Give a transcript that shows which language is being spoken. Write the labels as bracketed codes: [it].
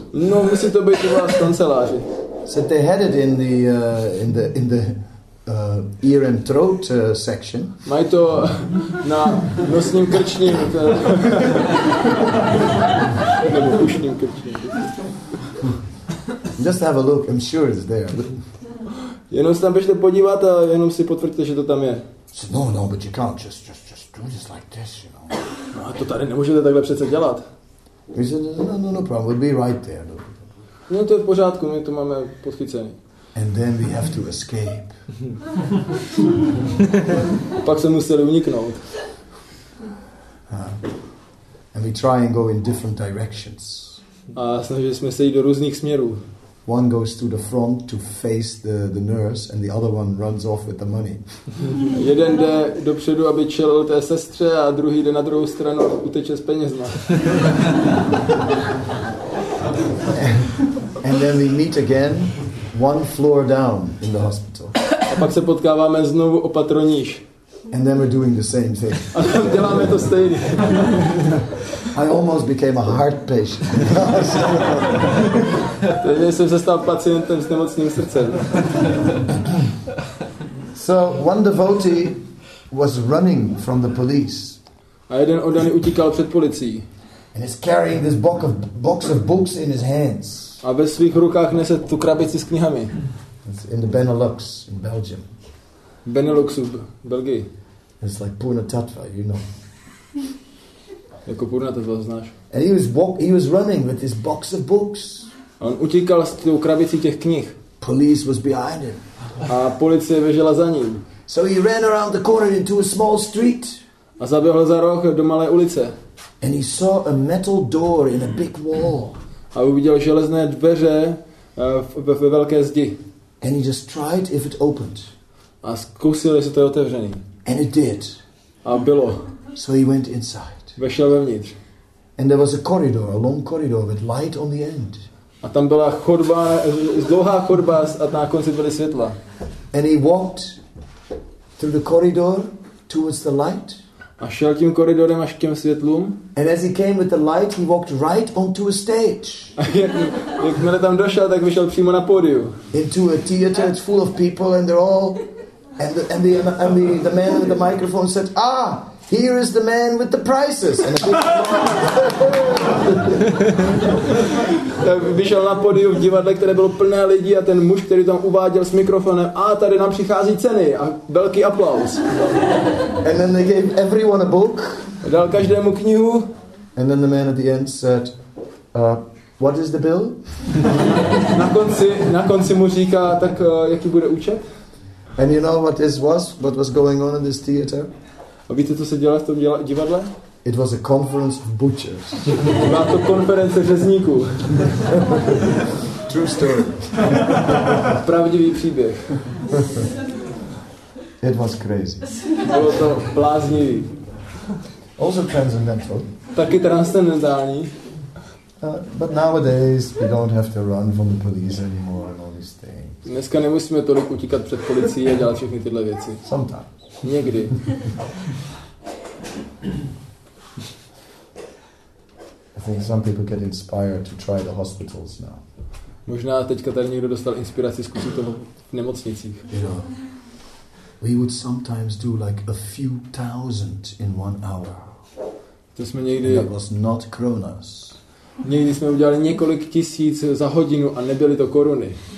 [cs] No, musí to být u vás v kanceláři. [en] So they had it in the ear and throat section. [cs] Mají to na nosním krčním. Nebo ušním krčním. [en] Just have a look. I'm sure it's there. [cs] Jenom se tam běžte podívat a jenom si potvrďte, že to tam je. [en] So no, no, but you can't just do this like this, you know. [cs] No, a to tady nemůžete takhle přece dělat. [en] He said, no problem, we'll be right there. [cs] No, to je v pořádku, my to máme podchycený. [en] And then we have to escape. [cs] Pak se museli uniknout. [en] And we try and go in different directions. [cs] A snažili jsme se jít do různých směrů. [en] One goes to the front to face the nurse and the other one runs off with the money. [cs] Jeden jde dopředu, aby čelil té sestře a druhý jde na druhou stranu a uteče s penězma. [en] And then we meet again one floor down in the hospital. [cs] A pak se potkáváme znovu o patro níž. [en] And then we're doing the same thing. [cs] A tam děláme to stejně. [en] I almost became a heart patient. [cs] Takže jsem se stal pacientem s nemocným srdcem. [en] So one devotee was running from the police. [cs] A jeden oddaný utíkal před policií. [en] And he's carrying this box of books in his hands. [cs] A ve svých rukách nese tu krabici s knihami. [en] It's in the Benelux, in Belgium. [cs] Benelux, Belgii. [en] It's like Purna Tattva, you know. [cs] Jako Purna Tattva, znáš. [en] And he was running with his box of books. [cs] On utíkal s tou krabicí těch knih. [en] Police was behind him. [cs] A policie běžela za ním. [en] So he ran around the corner into a small street. [cs] A zaběhl za roh do malé ulice. [en] And he saw a metal door in a big wall. [cs] A uviděl železné dveře ve velké zdi. [en] And he just tried if it opened. [cs] A zkusil, jestli to je otevřený. [en] And it did. [cs] A bylo. [en] So he went inside. [cs] Vešel vevnitř. [en] And there was a corridor, a long corridor with light on the end. [cs] A tam byla chodba, dlouhá chodba a na konci byly světla. [en] And he walked through the corridor towards the light. [cs] A šel tím koridorem až k těm světlům. [en] And as he came with the light, he walked right onto a stage. [cs] A jakmile tam došel, tak vyšel přímo na pódiu. [en] Into a theater, it's full of people and they're all and the man with the microphone said, "Ah, here is the man with the prices." [cs] Vyšel na pódiu v divadle, které bylo plné lidí, a ten muž, který tam uváděl s mikrofonem, a tady nám přichází ceny a velký aplaus. [en] And then they gave everyone a book. [cs] Dal každému knihu. [en] And then the man at the end said, What is the bill? [cs] Na konci mu říká, tak jaký bude účet? [en] And you know what this was? What was going on in this theater? [cs] A víte, co se dělo v tom divadle? [en] It was a conference of butchers. [cs] Byla to konference řezníků. [en] True story. [cs] Pravdivý příběh. [en] It was crazy. [cs] Bylo to bláznivý. [en] Also transcendental. [cs] Taky transcendentální. [en] But nowadays we don't have to run from the police anymore and all these things. [cs] Dneska nemusíme tolik utíkat před policií a dělat všechny tyhle věci. [en] Sometimes. [cs] Někdy. [en] I think some people get inspired to try the hospitals now. [cs] Možná teďka tady někdo dostal inspiraci zkusit to v nemocnicích. [en] We would sometimes do like a few thousand in one hour. [cs] To jsme někdy, [en] that was not kronos. [cs] Někdy jsme udělali několik tisíc za hodinu a nebyly to koruny.